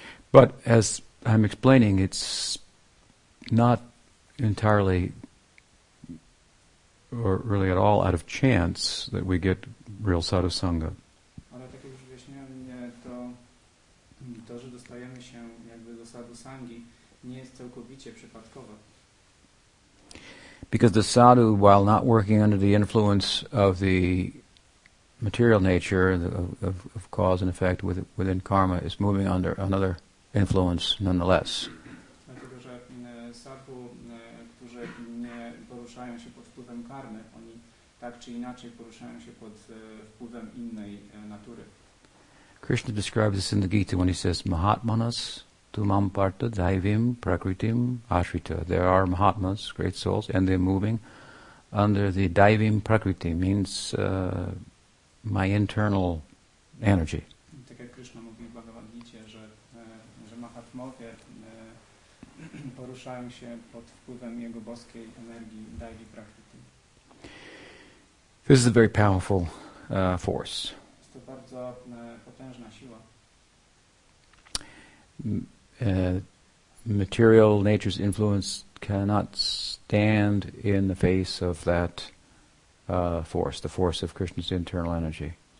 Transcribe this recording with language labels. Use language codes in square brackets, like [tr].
[en] But as I'm explaining, it's not entirely or really at all out of chance that we get real sadhu sangha. [pl] Ale tak jak już wyjaśniałem, to, że dostajemy się jakby do sadhu sangi, nie jest całkowicie przypadkowe. [en] Because the sadhu, while not working under the influence of the material nature of cause and effect within karma, is moving under another influence nonetheless. [pl] Dlatego, że sadhu, którzy nie poruszają się pod wpływem karmy, oni tak czy inaczej poruszają się pod wpływem innej natury. [en] Krishna describes this in the Gita when he says, [sa] Mahatmanas tumam parta daivim prakritim ashrita. [en] There are Mahatmas, great souls, and they're moving under the daivim prakriti, means my internal energy. [pl] Tak jak Krishna mówi w Bhagavad Gita, że Mahatmowie poruszają się pod wpływem jego boskiej energii, daivi prakriti. [en] This is a very powerful force. [pl] Jest to bardzo potężna siła. [en] Material nature's influence cannot stand in the face of that force, the force of Krishna's internal energy.